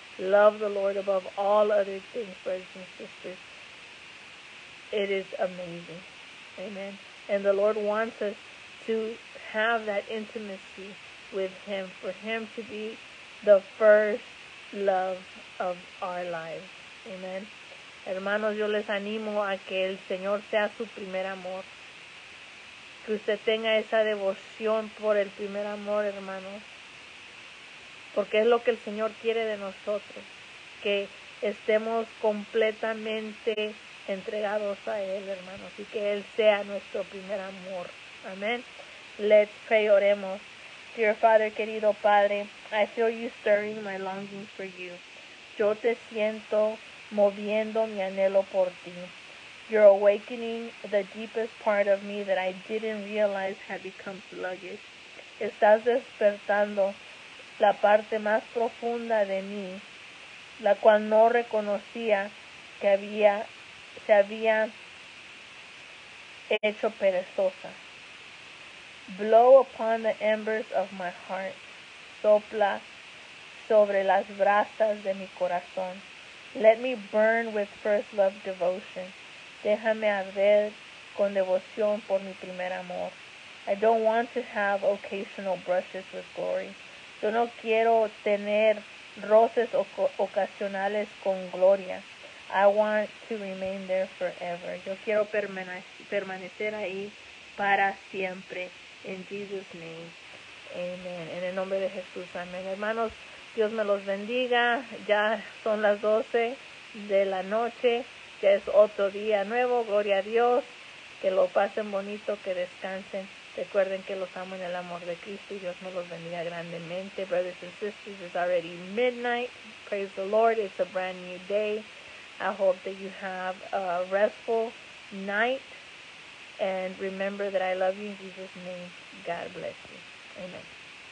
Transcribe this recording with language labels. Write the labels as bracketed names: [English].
[English] Love the Lord above all other things, brothers and sisters. It is amazing. Amen. And the Lord wants us to have that intimacy with him, for him to be the first love of our lives. Amen. [Spanish] Hermanos, yo les animo a que el Señor sea su primer amor. Que usted tenga esa devoción por el primer amor, hermanos. Porque es lo que el Señor quiere de nosotros. Que estemos completamente entregados a Él, hermanos. Y que Él sea nuestro primer amor. [English] Amén. Let's pray, [Spanish] oremos. [English] Dear Father, [Spanish] querido Padre, [English] I feel you stirring my longing for you. [Spanish] Yo te siento moviendo mi anhelo por ti. [English] You're awakening the deepest part of me that I didn't realize had become sluggish. [Spanish] Estás despertando la parte más profunda de mí, la cual no reconocía que se había hecho perezosa. [English] Blow upon the embers of my heart. [Spanish] Sopla sobre las brasas de mi corazón. [English] Let me burn with first love devotion. [Spanish] Déjame arder con devoción por mi primer amor. [English] I don't want to have occasional brushes with glory. [Spanish] Yo no quiero tener roces ocasionales con gloria. [English] I want to remain there forever. [Spanish] Yo quiero permanecer ahí para siempre. [English] In Jesus' name, amen. [Spanish] En el nombre de Jesús, amén. Hermanos, Dios me los bendiga. Ya son las 12 de la noche. Ya es otro día nuevo. Gloria a Dios. Que lo pasen bonito, que descansen. Recuerden que los amo en el amor de Cristo y Dios me los bendiga grandemente. [English] Brothers and sisters, it's already midnight. Praise the Lord. It's a brand new day. I hope that you have a restful night. And remember that I love you in Jesus' name. God bless you. Amen.